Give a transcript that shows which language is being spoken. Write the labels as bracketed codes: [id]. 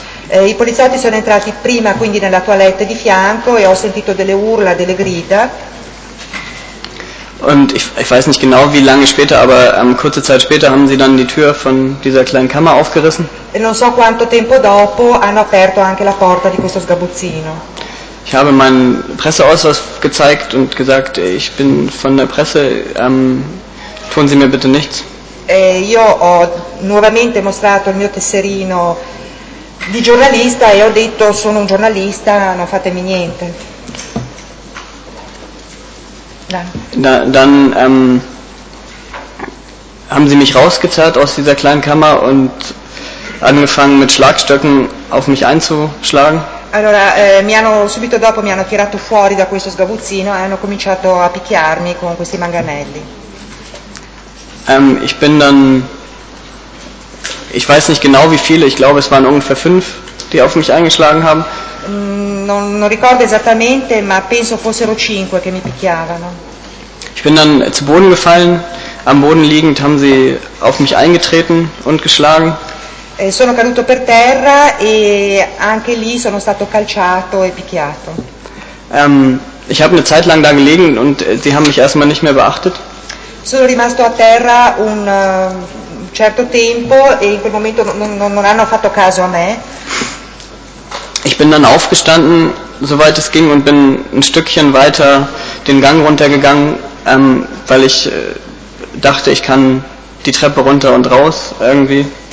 [it] I poliziotti sono entrati prima quindi nella toilette di fianco e ho sentito delle urla, delle grida. [de] Und ich weiß nicht genau wie lange später, aber kurze Zeit später haben sie dann die Tür von dieser kleinen Kammer aufgerissen. [it] E non so quanto tempo dopo hanno aperto anche la porta di questo sgabuzzino. [de] Ich habe meinen Presseausweis gezeigt und gesagt, ich bin von der Presse, tun Sie mir bitte nichts. [it] Io ho nuovamente mostrato il mio tesserino di giornalista e ho detto sono un giornalista, non fatemi niente. [de] Dann haben sie mich rausgezerrt aus dieser kleinen Kammer und angefangen mit Schlagstöcken auf mich einzuschlagen. [it] Allora, mi hanno subito dopo mi hanno tirato fuori da questo sgabuzzino e hanno cominciato a picchiarmi con questi manganelli. [de] Ich bin dann, ich weiß nicht genau wie viele, ich glaube es waren ungefähr 5, die auf mich eingeschlagen haben. [it] Non ricordo esattamente, ma penso fossero 5 che mi picchiavano. [de] Ich bin dann zu Boden gefallen, am Boden liegend haben sie auf mich eingetreten und geschlagen. [it] Sono caduto per terra e anche lì sono stato calciato e picchiato. [de] Ich habe eine Zeit lang da gelegen und sie haben mich erstmal nicht mehr beachtet. [it] Sono rimasto a terra un certo tempo e in quel momento non hanno fatto caso a me. [de] Ich bin dann aufgestanden, soweit es ging, und bin ein Stückchen weiter den Gang runtergegangen, weil ich dachte, ich kann die Treppe runter und raus irgendwie.